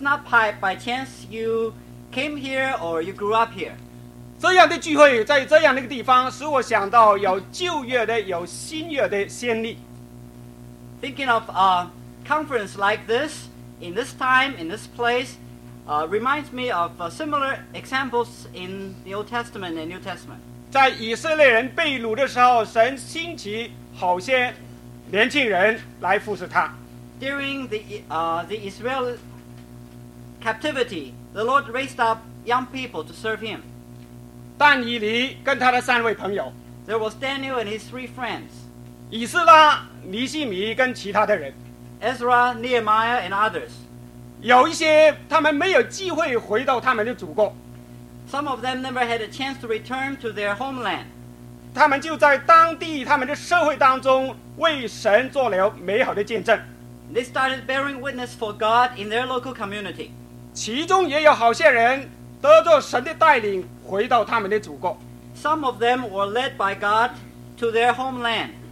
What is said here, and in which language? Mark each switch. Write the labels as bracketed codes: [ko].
[en] not by chance you came here or you grew up here. [zh] 这样的聚会在这样的地方使我想到有旧约的有新约的先例。 [en] Thinking of a conference like this, in this time, in this place, reminds me of similar examples in the Old Testament and New Testament. [zh] 在以色列人被掳的时候，神兴起年轻人来服侍他。 [en] During the Israeli captivity, the Lord raised up young people to serve him. [zh] 但以理跟他的三位朋友。 [en] There was Daniel and his three friends. [zh] 以斯拉、尼希米跟其他的人。 [en] Ezra, Nehemiah, and others. [zh] 有一些他们没有机会回到他们的祖国。 [en] Some of them never had a chance to return to their homeland. [zh] 他们就在当地他们的社会当中为神做了美好的见证。 [en] They started bearing witness for God in their local community. [zh] 其中也有好些人得着神的带领回到他们的祖国。 [en] Some of them were led by God to their homeland.